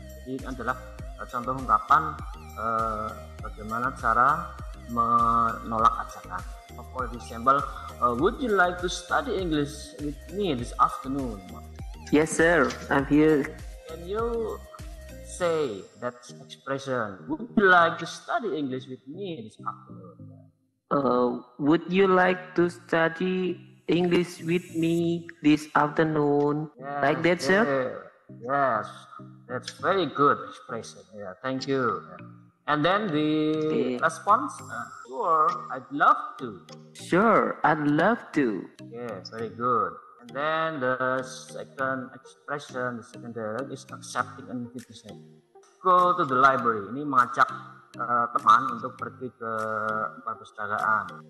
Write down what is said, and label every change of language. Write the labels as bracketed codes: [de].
[id] Jadi ini adalah contoh ungkapan bagaimana cara menolak ajakan. [en] For example, would you like to study English with me this afternoon? Yes, sir. I'm here. Can you say that expression? Would you like to study English with me this afternoon? Would you like to study English with me this afternoon? Yes, like that, sir? Yes, that's very good expression. Yeah, thank you. And then the response? Sure, I'd love to. Sure, I'd love to. Yes, very good. And then the second expression, the second dialogue is accepting an invitation. Go to the library. [id] Ini mengajak teman untuk pergi ke perpustakaan.